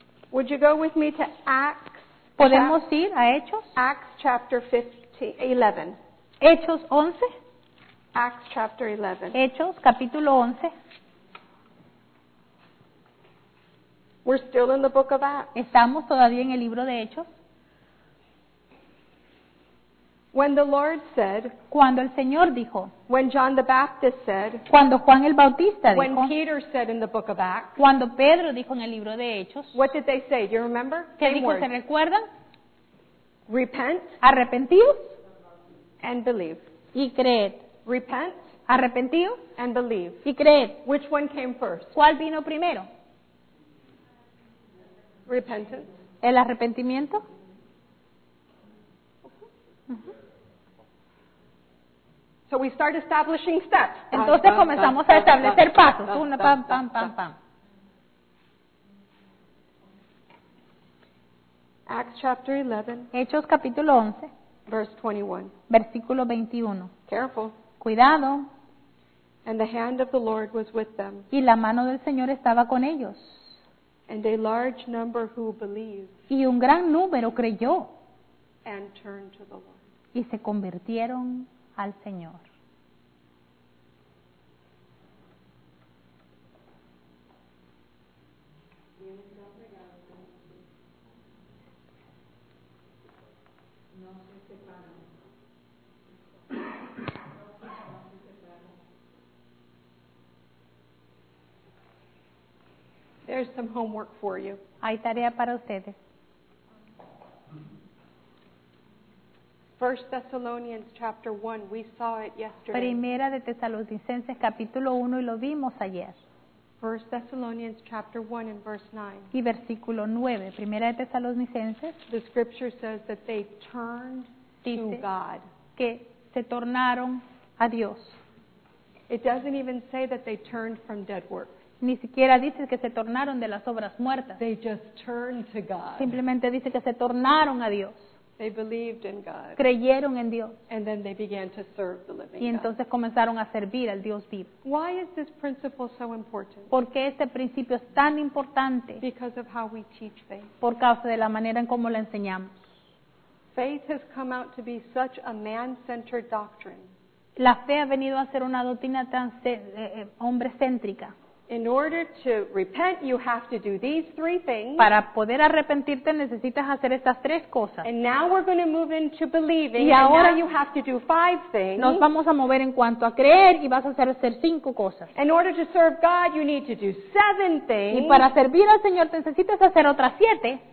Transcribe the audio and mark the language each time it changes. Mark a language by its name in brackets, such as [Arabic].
[English] Would you go with me to Acts? [Spanish] ¿Podemos ir a Hechos? [English] Acts chapter 15, 11. [Spanish] Hechos 11. [English] Acts chapter 11. [Spanish] Hechos capítulo 11. [English] We're still in the book of Acts. [Spanish] Estamos todavía en el libro de Hechos. [English] When the Lord said, [Spanish] cuando el Señor dijo, [English] when John the Baptist said, [Spanish] cuando Juan el Bautista dijo, [English] when Peter said in the book of Acts, [Spanish] cuando Pedro dijo en el libro de Hechos, [English] what did they say? Do you remember? [Spanish] ¿Qué dijo? ¿Se recuerdan? [English] Repent. [Spanish] Arrepentíos. [English] And believe. [Spanish] Y creed. [English] Repent. [Spanish] Arrepentíos. [English] And believe. [Spanish] Y creed. [English] Which one came first? [Spanish] ¿Cuál vino primero? [English] Repentance. [Spanish] ¿El arrepentimiento? [English] So we start establishing steps. [Spanish] Entonces comenzamos a establecer pasos. Uno, pam, pam, pam, pam. [English] Acts chapter 11. [Spanish] Hechos capítulo 11. [English] Verse 21. [Spanish] Versículo 21. [English] Careful. [Spanish] Cuidado. [English] And the hand of the Lord was with them. [Spanish] Y la mano del Señor estaba con ellos. [English] And a large number who believed. [Spanish] Y un gran número creyó. [English] And turned to the Lord. [Spanish] Y se convirtieron al Señor. [English] There's some homework for you. [Spanish] Hay tarea para ustedes. [English] 1 Thessalonians chapter 1, we saw it yesterday. [Spanish] Primera de Tesalonicenses capítulo 1 y lo vimos ayer. [English] 1 Thessalonians chapter 1 and verse 9. [Spanish] Y versículo 9, Primera de Tesalonicenses. [English] The scripture says that they turned to God. [Spanish] Que se tornaron a Dios. [English] It doesn't even say that they turned from dead works. [Spanish] Ni siquiera dice que se tornaron de las obras muertas. [English] They just turned to God. [Spanish] Simplemente dice que se tornaron a Dios. [English] They believed in God. [Spanish] Creyeron en Dios. [English] And then they began to serve the living God. [Spanish] Y entonces comenzaron a servir al Dios vivo. [English] Why is this principle so important? [Spanish] ¿Por qué este principio es tan importante? [English] Because of how we teach faith. [Spanish] Por causa de la manera en cómo la enseñamos. [English] Faith has come out to be such a man-centered doctrine. [Spanish] La fe ha venido a ser una doctrina tan hombre-céntrica. [English] In order to repent, you have to do these three things. [Spanish] Para poder arrepentirte necesitas hacer estas tres cosas. [English] And now we're going to move into believing. [Spanish] Y ahora [English] and now you have to do five things. [Spanish] Nos vamos a mover en cuanto a creer y vas a hacer cinco cosas. [English] In order to serve God, you need to do seven things. [Spanish] Y para servir al Señor necesitas hacer otras siete.